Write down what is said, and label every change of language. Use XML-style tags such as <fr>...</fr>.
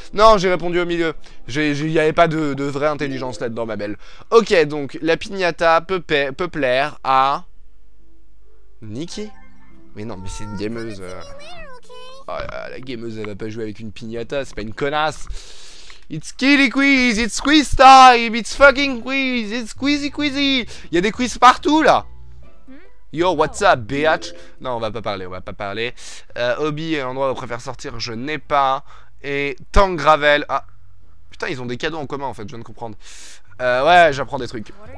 <fr>Non, j'ai répondu au milieu. Il n'y avait pas de vraie intelligence là-dedans, ma belle. Ok, donc, la piñata peut plaire à. Nikki? Mais non, mais c'est une gameuse. Oh, la gameuse, elle va pas jouer avec une piñata, c'est pas une connasse.</fr> <en>It's Kitty Quiz, it's quiz time, it's fucking quiz, it's quizy quizy.</en> <fr>Il y a des quiz partout là.</fr> <en>Yo, what's up, Beach?</en> <fr>Non, on va pas parler, on va pas parler. Hobby, endroit où on préfère sortir, je n'ai pas. Et Tank Gravel. Ah, putain, ils ont des cadeaux en commun en fait, je viens de comprendre. Ouais, j'apprends des trucs.</fr>